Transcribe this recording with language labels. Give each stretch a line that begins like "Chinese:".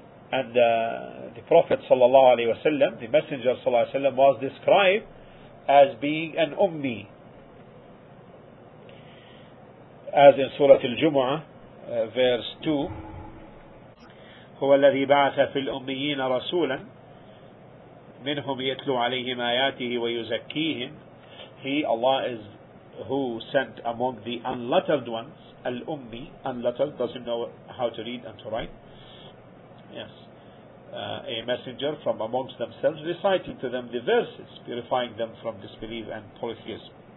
English: And the Prophet sallallahu alaihi wasallam, the Messenger sallallahu alaihi wasallam, was described as being an ummi, as in Surah Al-Jumu'ah, verse 2.
Arabic: هو الذي بعث في الأميين رسولا منهم يتلو عليهم آياته ويزكيهم.
English: He, Allah, is who sent among the unlettered ones, al-ummi, unlettered, doesn't know how to read and to write. Yes. A messenger from amongst themselves, reciting to them the verses, purifying them from disbelief and polytheism.